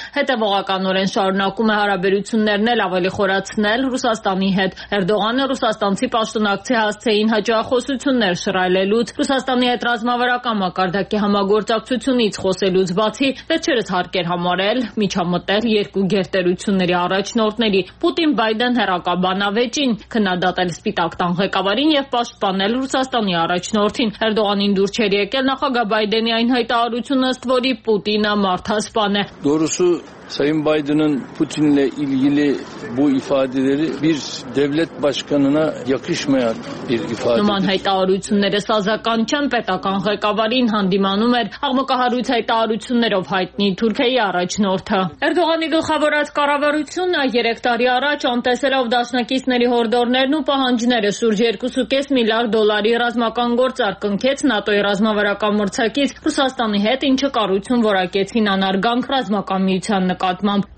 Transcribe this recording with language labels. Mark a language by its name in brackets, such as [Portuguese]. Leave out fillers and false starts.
[Armenian] հետևողականորեն շարունակում է հարաբերություններն էլ ավելի խորացնել Ռուսաստանի հետ։ Էրդողանը ռուսաստանցի պաշտոնակցի հասցեին հաջողություններ շրայլելուց, ռուսաստանի հետ ռազմավարական մակարդակի համագործակցությունից խոսելուց բացի, վերջերս հարկեր համարել միջամտել երկու գերտերությունների առաջնորդների՝ Պուտին-Բայդեն հերակաբանավեճին, քննադատել Սպիտակ տան ղեկավարին եւ պաշտպանել Ռուսաստանի առաջնորդին։ Էրդողանին դուր չէր եկել նախագահ Բայդենի այն հայտարարությունը, ըստ որի Պուտինը մարդասպան է։ [Turkish] Դորուսը Sayın Biden'ın Putin'le ilgili bu ifadeleri bir devlet başkanına yakışmayan bir ifadedir. [Armenian] Նման հայտարարությունները սազական չեն, պետական ղեկավարին հանդիմանում էր աղմուկահարույց հայտարարություններով հայտնի Թուրքիայի առաջնորդը։ Էրդողանի գլխավորած կառավարությունը 3 տարի առաջ անտեսելով դաշնակիցների հորդորներն ու պահանջները շուրջ 2.5 միլիարդ դոլարի ռազմական գործարք կնքեց ՆԱՏՕ-ի ռազմավարական մրցակից Ռուսաստանի հետ, ինչը կառույցում որակեցին անարգանք ռազմական միության նկատմամբ։